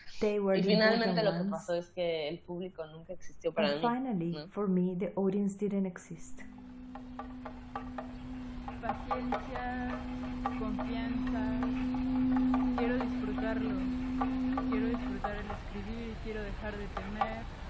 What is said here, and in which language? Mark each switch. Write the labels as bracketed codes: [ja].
[es] Y finalmente lo que pasó es que el público nunca existió para mí. [en] Finally, for me, the audience didn't exist. [es] Paciencia, confianza, quiero disfrutarlo, quiero disfrutar el escribir, quiero dejar de temer.